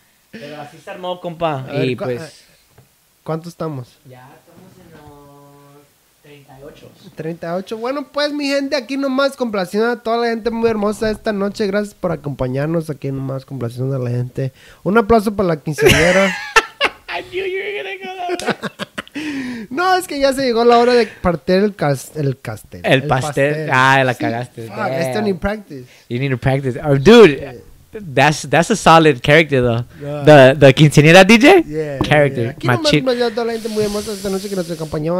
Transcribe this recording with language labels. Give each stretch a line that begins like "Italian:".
Spanish: Pero así se armó, compa. Y pues... ¿Cuántos estamos? Ya estamos en los 38. Bueno, pues, mi gente, aquí nomás complaciendo a toda la gente muy hermosa esta noche. Gracias por acompañarnos aquí nomás complaciendo a la gente. Un aplauso para la quinceañera.
English: I knew you were gonna go that way.
Spanish: No, es que ya se llegó la hora de partir el pastel. El pastel. Ah, la sí. Cagaste.
English: Fuck, I still need practice. You need to practice. Oh, dude, that's a solid character, though. The quinceañera DJ? Yeah. Character.
Spanish: Yeah. Aquí machín. Nomás toda la gente muy hermosa esta noche que nos acompañó.